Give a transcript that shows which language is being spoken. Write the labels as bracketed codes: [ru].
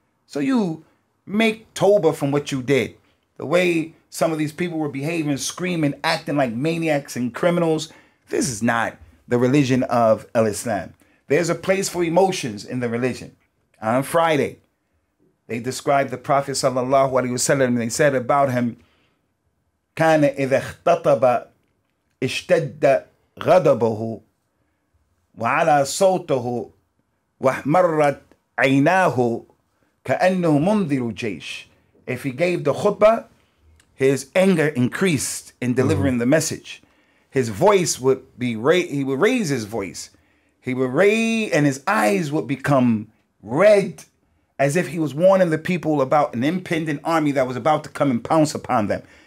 [en] So you make tawbah from what you did. The way some of these people were behaving, screaming, acting like maniacs and criminals. This is not the religion of al-Islam. There's a place for emotions in the religion. On Friday, they described the Prophet sallallahu alaihi wasallam, and they said about him, [ar] كان إذا اختطب اشتد غضبه وعلى صوته واحمرت عيناه كأنه منذر جيش. [en] If he gave the khutbah, his anger increased in delivering the message. His voice would be he would raise his voice. He would raise, and his eyes would become red, as if he was warning the people about an impending army that was about to come and pounce upon them.